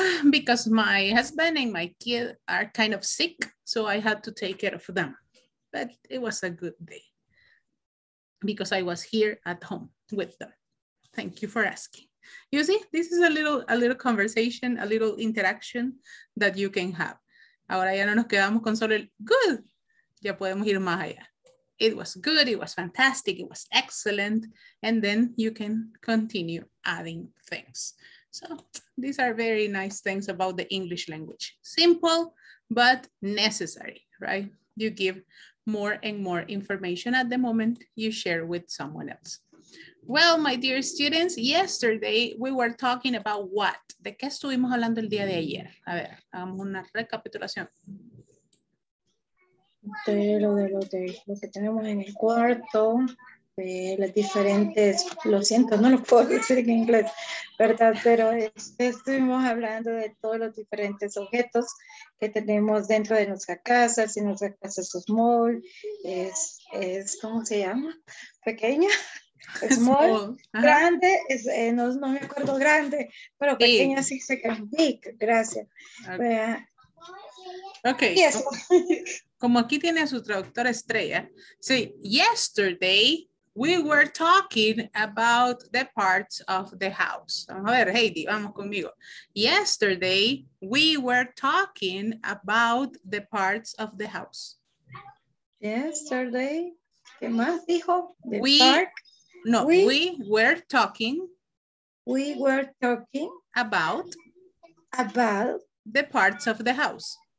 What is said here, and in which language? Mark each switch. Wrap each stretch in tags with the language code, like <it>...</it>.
<en>Because my husband and my kid are kind of sick, so I had to take care of them. But it was a good day because I was here at home with them. Thank you for asking. You see, this is a little conversation, a little interaction that you can have.</en> <es>Ahora ya no nos quedamos con solo el good. Ya podemos ir más allá.</es> <en>It was good. It was fantastic. It was excellent. And then you can continue adding things. So these are very nice things about the English language. Simple, but necessary, right? You give more and more information at the moment you share with someone else. Well, my dear students, yesterday we were talking about what?</en> <es>¿De qué estuvimos hablando el día de ayer? A ver, hagamos una recapitulación. De lo que tenemos en el cuarto. Las diferentes, lo siento, no lo puedo decir en inglés, ¿verdad? Pero estuvimos hablando de todos los diferentes objetos que tenemos dentro de nuestra casa. Si nuestra casa es small, es ¿cómo se llama? Pequeña, small, grande, no me acuerdo grande, pero pequeña sí se llama big, gracias.</es> <en>Okay. Yes.</en> <es>Como aquí tiene a su traductora estrella, sí, yesterday.</es> <en>We were talking about the parts of the house.</en> <es>A ver, Heidi, vamos conmigo.</es> <en>Yesterday, we were talking about the parts of the house.</en> <es>Yesterday, ¿qué más dijo?</es> <en>We were talking about the parts of the house.</en>